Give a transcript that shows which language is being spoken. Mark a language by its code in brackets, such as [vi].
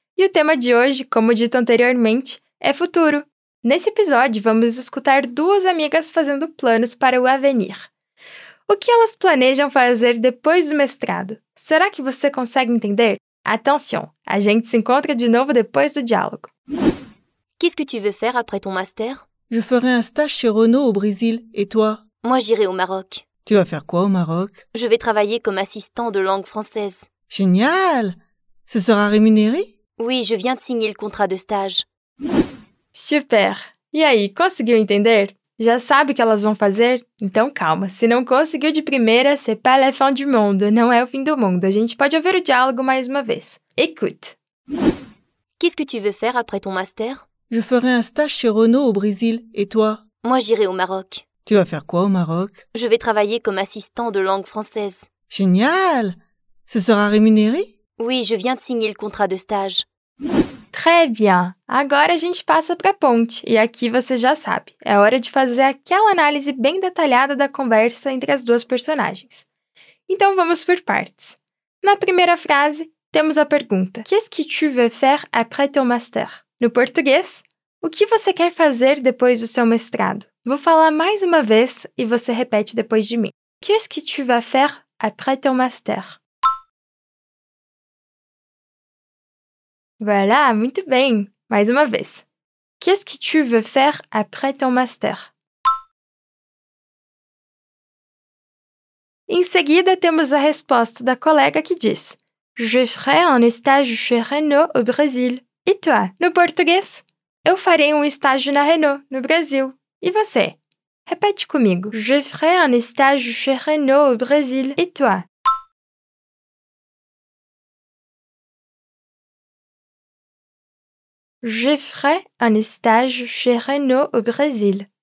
[pt] E o tema de hoje, como dito anteriormente, é futuro. Nesse episódio, vamos escutar duas amigas fazendo planos para o avenir. O que elas planejam fazer depois do mestrado? Será que você consegue entender? Attention, a gente se encontra de novo depois do diálogo. [fr] Qu'est-ce que tu veux faire après ton master? Je ferai un stage chez Renault au Brésil. Et toi? Moi, j'irai au Maroc. Tu vas faire quoi au Maroc? Je vais travailler comme assistant de langue française. Génial! Ce sera rémunéré? Oui, je viens de signer le contrat de stage. Super! [pt] E aí, conseguiu entender? Já sabe o que elas vão fazer? Então calma, se não conseguiu de primeira, [fr] c'est pas la fin du monde, [pt] não é o fim do mundo. A gente pode ouvir o diálogo mais uma vez. [fr] Écoute! Qu'est-ce que tu veux faire après ton master? Je ferai un stage chez Renault au Brésil. Et toi? Moi, j'irai au Maroc. Tu vas faire quoi au Maroc? Je vais travailler comme assistant de langue française. Génial! Ce sera rémunéré? Oui, je viens de signer le contrat de stage. Très bien! [pt] Agora a gente passa para a ponte, e aqui você já sabe. É hora de fazer aquela análise bem detalhada da conversa entre as duas personagens. Então vamos por partes. Na primeira frase, temos a pergunta: [fr] Qu'est-ce que tu veux faire après ton master? [pt] No português, o que você quer fazer depois do seu mestrado? Vou falar mais uma vez e você repete depois de mim. [fr] Qu'est-ce que tu vas faire après ton master? Voilà, [pt] muito bem. Mais uma vez. [fr] Qu'est-ce que tu veux faire après ton master? [pt] Em seguida, temos a resposta da colega que diz: [fr] Je ferai un stage chez Renault au Brésil. Et toi? [pt] No português, eu farei um estágio na Renault, no Brasil. E você? Repete comigo. [fr] Je ferai un stage chez Renault au Brésil. Et toi? Je ferai un stage chez Renault au Brésil.